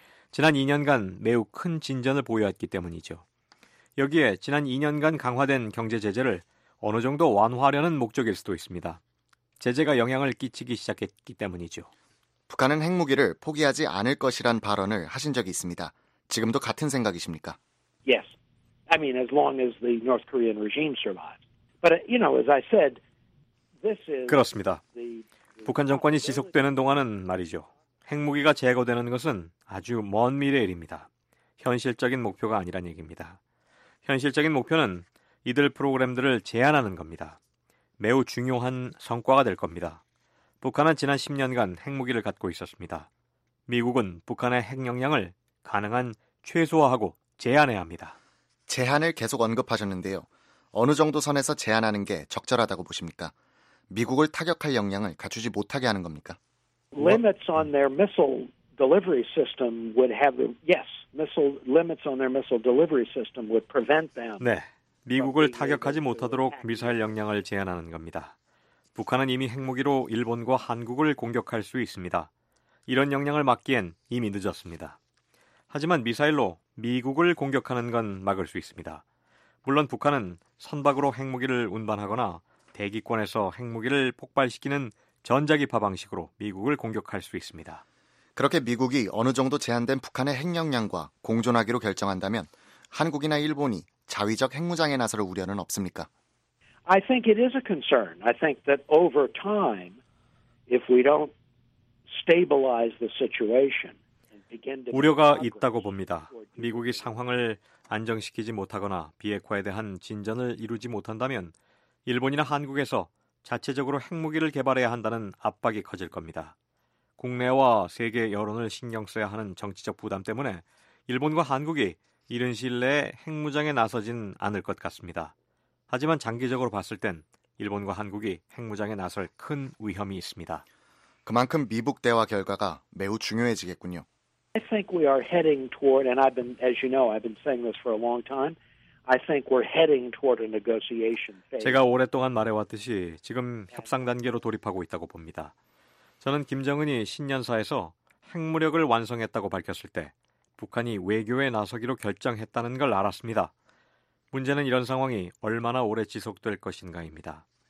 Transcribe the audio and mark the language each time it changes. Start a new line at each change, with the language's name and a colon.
Korean: 지난 2년간 매우 큰 진전을 보여왔기 때문이죠. 여기에 지난 2년간 강화된 경제 제재를 어느 정도 완화하려는 목적일 수도 있습니다. 제재가 영향을 끼치기 시작했기 때문이죠. 북한은 핵무기를 포기하지 않을 것이란 발언을 하신 적이 있습니다. 지금도 같은 생각이십니까?
English: Yes. I mean as long as the North Korean regime survives. But you know, as I said, this is
Korean: 그렇습니다. 북한 정권이 지속되는 동안은 말이죠. 핵무기가 제거되는 것은 아주 먼 미래일입니다. 현실적인 목표가 아니란 얘기입니다. 현실적인 목표는 이들 프로그램들을 제한하는 겁니다. 매우 중요한 성과가 될 겁니다. 북한은 지난 10년간 핵무기를 갖고 있었습니다. 미국은 북한의 핵 역량을 가능한 최소화하고 제한해야 합니다. 제한을 계속 언급하셨는데요. 어느 정도 선에서 제한하는 게 적절하다고 보십니까? 미국을 타격할 역량을 갖추지 못하게 하는 겁니까?
English: Limits on their missile delivery system would have yes, missile limits on their missile delivery system would prevent them.
Korean: 네. 미국을 타격하지 못하도록 미사일 역량을 제한하는 겁니다. 북한은 이미 핵무기로 일본과 한국을 공격할 수 있습니다. 이런 역량을 막기엔 이미 늦었습니다. 하지만 미사일로 미국을 공격하는 건 막을 수 있습니다. 물론 북한은 선박으로 핵무기를 운반하거나 대기권에서 핵무기를 폭발시키는 전자기파 방식으로 미국을 공격할 수 있습니다. 그렇게 미국이 어느 정도 제한된 북한의 핵 역량과 공존하기로 결정한다면 한국이나 일본이 자위적 핵무장에 나설 우려는 없습니까?
English: I think it is a concern. I think that over time, if we don't stabilize the situation and begin to
Korean: 우려가 있다고 봅니다. 미국이 상황을 안정시키지 못하거나 비핵화에 대한 진전을 이루지 못한다면 일본이나 한국에서 자체적으로 핵무기를 개발해야 한다는 압박이 커질 겁니다. 국내와 세계 여론을 신경 써야 하는 정치적 부담 때문에 일본과 한국이 이른 시일 내에 핵무장에 나서진 않을 것 같습니다. 하지만 장기적으로 봤을 땐 일본과 한국이 핵무장에 나설 큰 위험이 있습니다. 그만큼 미북 대화 결과가 매우 중요해지겠군요.
English: I think we are heading toward, and I've been, as you know, I've been saying this for a long time. I think we're heading toward a negotiation phase.
Korean: 제가 오랫동안 말해왔듯이 지금 협상 단계로 돌입하고 있다고 봅니다. 저는 김정은이 신년사에서 핵무력을 완성했다고 밝혔을 때 북한이 외교에 나서기로 결정했다는 걸 알았습니다. 문제는 이런 상황이 얼마나 오래 지속될 것인가입니다.